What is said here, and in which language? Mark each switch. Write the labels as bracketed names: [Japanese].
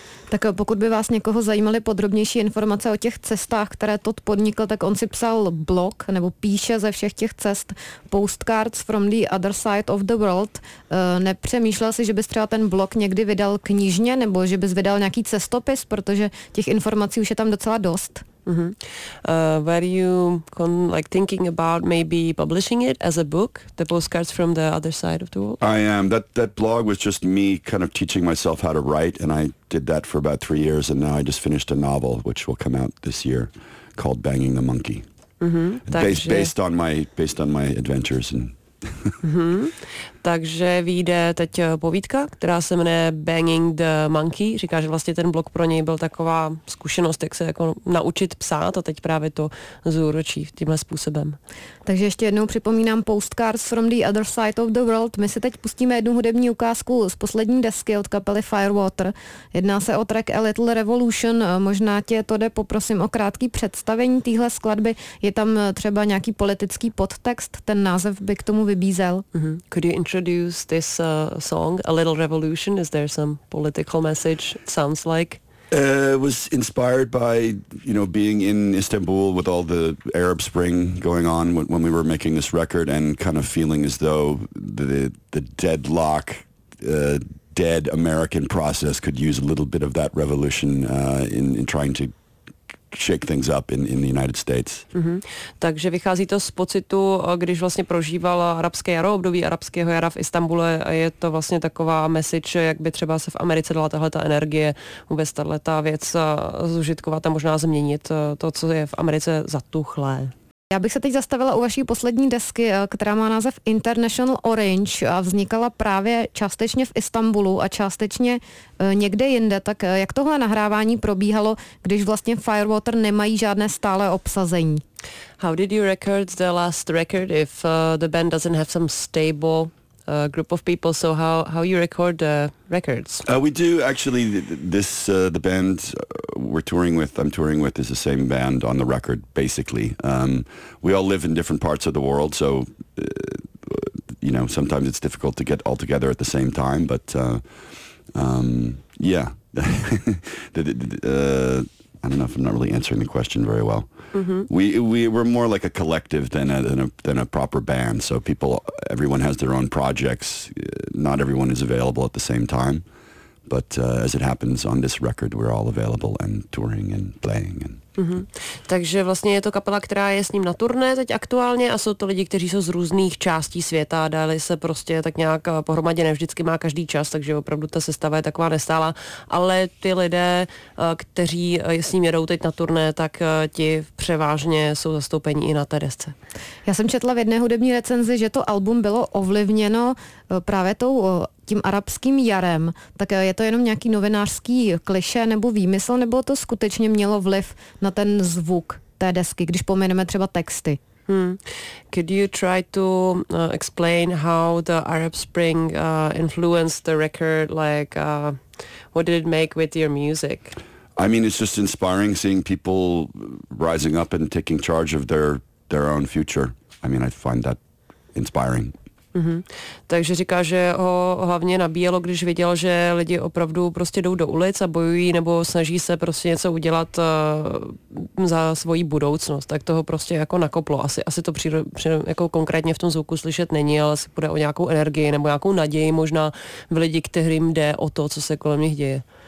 [Czech] Tak pokud by vás někoho zajímaly podrobnější informace o těch cestách, které Todd podnikl, tak on si psal blog, nebo píše ze všech těch cest Postcards from the Other Side of the World. Nepřemýšlel si, že bys třeba ten blog někdy vydal knižně, nebo že bys vydal nějaký cestopis, protože těch informací už je tam docela dost. Mm-hmm. [English] Were you like thinking about maybe publishing it as a book, the Postcards from the Other Side of the World? I am. That blog was just me kind of teaching myself how to write, and I did that for about 3 years, and now I just finished a novel which will come out this year called Banging the Monkey. Mm-hmm. Based on my adventures and mm-hmm. [Czech] Takže vyjde teď povídka, která se jmenuje Banging the Monkey. Říká, že vlastně ten blog pro něj byl taková zkušenost, jak se jako naučit psát, a teď právě to zúročí tímhle způsobem. Takže ještě jednou připomínám Postcards from the Other Side of the World. My si teď pustíme jednu hudební ukázku z poslední desky od kapely Firewater. Jedná se o track A Little Revolution. Možná tě to jde poprosím o krátký představení téhle skladby. Je tam třeba nějaký politický podtext, ten název by k tomu vybízel. [English] Mm-hmm. Introduce this song, A Little Revolution. Is there some political message? It sounds like it was inspired by, you know, being in Istanbul with all the Arab Spring going on when we were making this record, and kind of feeling as though the deadlock, dead American process could use a little bit of that revolution in trying to shake things up in the United States. Mm-hmm. [Czech] Takže vychází to z pocitu, když vlastně prožíval arabské jaro, období arabského jara v Istanbule, a je to vlastně taková message, jak by třeba se v Americe dala tahleta energie, vůbec tahleta věc zužitkovat a možná změnit to, co je v Americe zatuchlé. Já bych se teď zastavila u vaší poslední desky, která má název International Orange a vznikala právě částečně v Istanbulu a částečně někde jinde. Tak jak tohle nahrávání probíhalo, když vlastně Firewater nemají žádné stálé obsazení? [English] How did you record the last record if the band doesn't have some stable group of people? So how you record the records? We do actually this the band we're touring with, I'm touring with, is the same band on the record basically. We all live in different parts of the world, so you know, sometimes it's difficult to get all together at the same time, but yeah. I don't know if I'm not really answering the question very well. Mm-hmm. We're more like a collective than a proper band. So people, everyone has their own projects. Not everyone is available at the same time. But as it happens on this record, we're all available and touring and playing. And, mm-hmm. [Czech] Takže vlastně je to kapela, která je s ním na turné teď aktuálně a jsou to lidi, kteří jsou z různých částí světa a dali se prostě tak nějak pohromadě, nevždycky má každý čas, takže opravdu ta sestava je taková nestálá, ale ty lidé, kteří s ním jedou teď na turné, tak ti převážně jsou zastoupení i na té desce. Já jsem četla v jedné hudební recenzi, že to album bylo ovlivněno právě tím arabským jarem, tak je to jenom nějaký novinářský klišé nebo výmysl, nebo to skutečně mělo vliv na ten zvuk té desky, když pomineme třeba texty? Hmm. [English] Could you try to explain how the Arab Spring influenced the record? Like, what did it make with your music? I mean, it's just inspiring seeing people rising up and taking charge of their own future. I mean, I find that inspiring. Mm-hmm. [Czech] Takže říká, že ho hlavně nabíjelo, když viděl, že lidi opravdu prostě jdou do ulic a bojují nebo snaží se prostě něco udělat za svoji budoucnost. Tak toho prostě jako nakoplo. Asi to jako konkrétně v tom zvuku slyšet není, ale asi půjde o nějakou energii nebo nějakou naději možná v lidi, kterým jde o to, co se kolem nich děje.